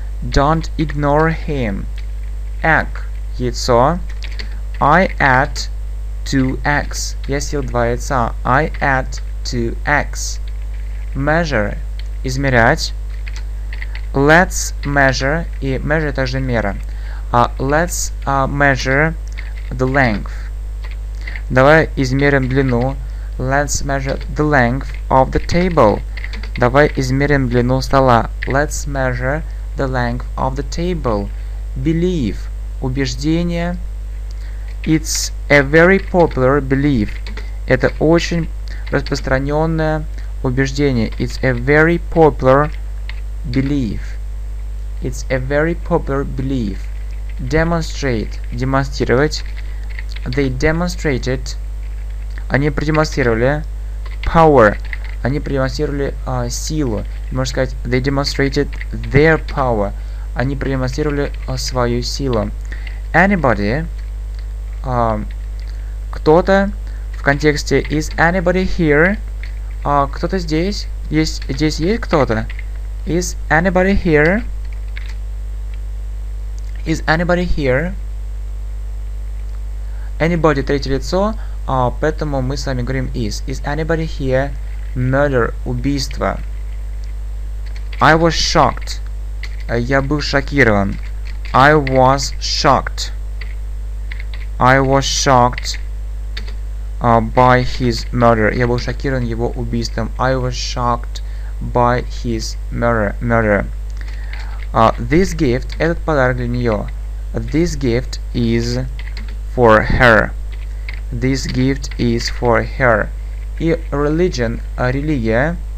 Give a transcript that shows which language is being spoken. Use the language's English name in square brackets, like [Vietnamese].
[English] Don't ignore him. Egg. Яйцо. I add 2 eggs. [Russian] Я съел 2 яйца. [English] I add 2 eggs. Measure. Измерять. Let's measure. [Russian] И measure также мера. [English] Let's measure the length. [Russian] Давай измерим длину. [English] Let's measure the length of the table. [Russian] Давай измерим длину стола. [English] Let's measure the length of the table. Believe. Убеждение. It's a very popular belief. [Russian] Это очень распространенное убеждение. [English] It's a very popular belief. It's a very popular belief. Demonstrate. Демонстрировать. They demonstrated. [Russian] Они продемонстрировали power. Они продемонстрировали силу. Можно сказать, [English] they demonstrated their power. [Russian] Они продемонстрировали свою силу. [English] Anybody. [Russian] Кто-то в контексте [English] is anybody here? [Russian] Кто-то здесь? Здесь есть кто-то? [English] Is anybody here? Is anybody here? [Russian] Anybody третье лицо, поэтому мы с вами говорим is. [English] Is anybody here? Murder, убийство. I was shocked. [Russian] Я был шокирован. [English] I was shocked. I was shocked by his murder. [Russian] Я был шокирован его убийством. [English] I was shocked by his murder. This gift, [Russian] этот подарок для нее. [English] This gift is for her. This gift is for her. И religion, религия.